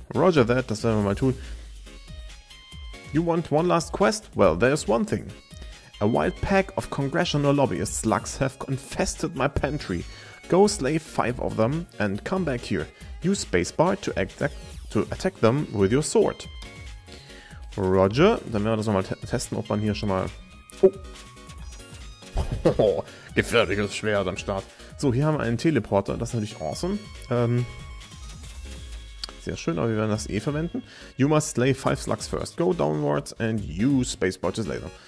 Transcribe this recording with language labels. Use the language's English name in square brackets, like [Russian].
[English] Roger that, that's not my tool. You want one last quest? Well, there's one thing. A wild pack of congressional lobbyist slugs have infested my pantry. Go slay 5 of them and come back here. Use spacebar to attack them with your sword. Roger. [German] Dann werden wir das nochmal testen, ob man hier schon mal... Oh! Gefährliches Schwert am Start. So, hier haben wir einen Teleporter. Das ist natürlich awesome. Sehr schön, aber wir werden das eh verwenden. [English] You must slay 5 slugs first. Go downwards and use spacebar to slay them.